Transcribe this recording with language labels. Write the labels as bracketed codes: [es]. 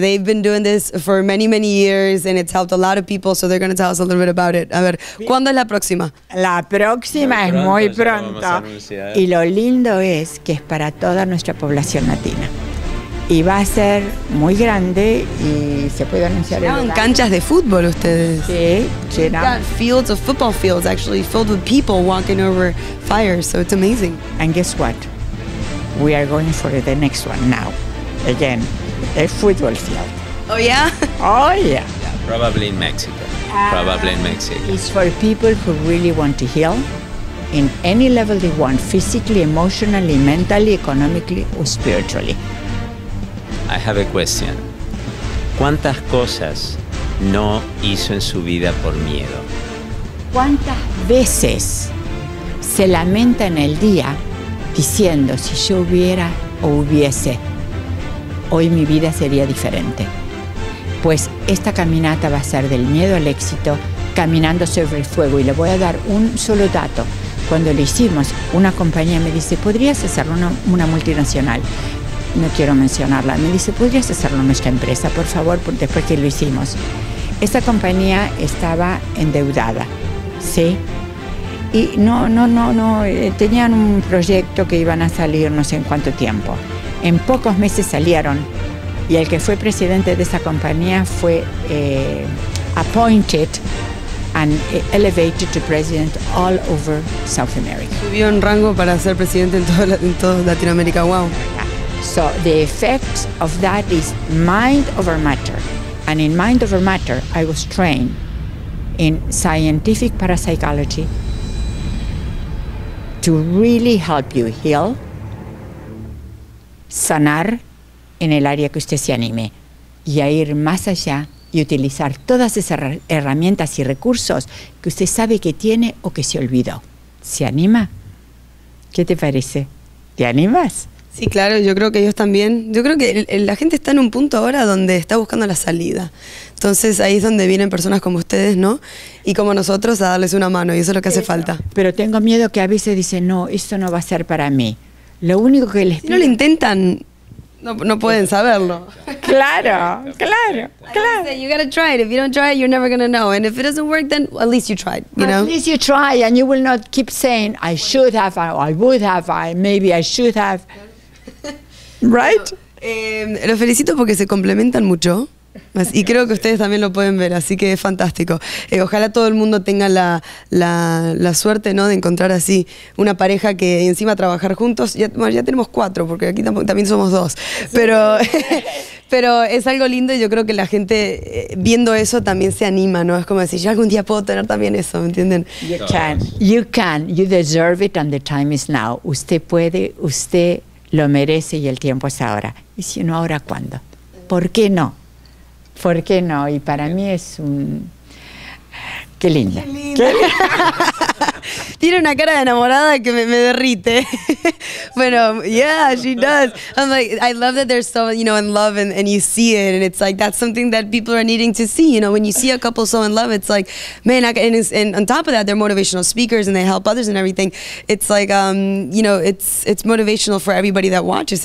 [en] They've been doing this for many, many years and it's helped a lot of people, so they're going to tell us a little bit about it. [es] A ver, ¿cuándo es la próxima? La próxima es muy pronto. Y lo lindo es que es para toda nuestra población latina. Y va a ser muy grande y se puede anunciar. Llenaron canchas de fútbol ustedes. Sí, llenaron. [en] We've got fields of football fields actually filled with people walking over fire, so it's amazing. And guess what? We are going for the next one now. Again, a football field. Oh, yeah? Oh, yeah. Probably in Mexico. It's for people who really want to heal in any level they want, physically, emotionally, mentally, economically, or spiritually. I have a question. [es] ¿Cuántas cosas no hizo en su vida por miedo? ¿Cuántas veces se lamenta en el día diciendo, si yo hubiera o hubiese, hoy mi vida sería diferente? Pues esta caminata va a ser del miedo al éxito, caminando sobre el fuego. Y le voy a dar un solo dato. Cuando lo hicimos, una compañía me dice, ¿podrías hacerlo una multinacional? No quiero mencionarla. Me dice, ¿podrías hacerlo nuestra empresa, por favor, después que lo hicimos? Esta compañía estaba endeudada, ¿sí? Y tenían un proyecto que iban a salir no sé en cuánto tiempo. En pocos meses salieron y el que fue presidente de esa compañía fue [en] appointed and elevated to president all over South America. [es] Subió en rango para ser presidente en todo Latinoamérica. [en] Wow. So the effect of that is mind over matter. And in mind over matter, I was trained in scientific parapsychology to really help you heal, [es] sanar en el área que usted se anime y a ir más allá y utilizar todas esas herramientas y recursos que usted sabe que tiene o que se olvidó. ¿Se anima? ¿Qué te parece? ¿Te animas? Sí, claro, yo creo que ellos también. Yo creo que la gente está en un punto ahora donde está buscando la salida. Entonces ahí es donde vienen personas como ustedes, ¿no? Y como nosotros a darles una mano, y eso es lo que hace falta. Pero tengo miedo que a veces dicen, no, esto no va a ser para mí. Lo único que les pido... Si no lo intentan, no pueden saberlo. Claro. [en] You gotta try it. If you don't try it, you're never gonna know. And if it doesn't work, then at least you tried. You know? At least you try, and you will not keep saying, I should have, I would have, maybe I should have... Right. [es] Los felicito porque se complementan mucho y creo que ustedes también lo pueden ver, así que es fantástico. Ojalá todo el mundo tenga la suerte, ¿no?, de encontrar así una pareja que encima trabajar juntos. Ya tenemos cuatro porque aquí también somos dos, pero pero es algo lindo y yo creo que la gente viendo eso también se anima, ¿no? Es como decir, yo algún día puedo tener también eso, ¿me entienden? [en] You can, you deserve it and the time is now. [es] Usted puede, usted lo merece y el tiempo es ahora. Y si no ahora, ¿cuándo? ¿Por qué no? ¿Por qué no? Y para mí es un... Qué linda. Qué linda. Tiene una cara de enamorada que me derrite. [en] Bueno, yeah, she does. I'm like, I love that there's so, you know, in love and you see it. And it's like, that's something that people are needing to see. You know, when you see a couple so in love, it's like, man, and on top of that, they're motivational speakers and they help others and everything. It's like, you know, it's motivational for everybody that watches.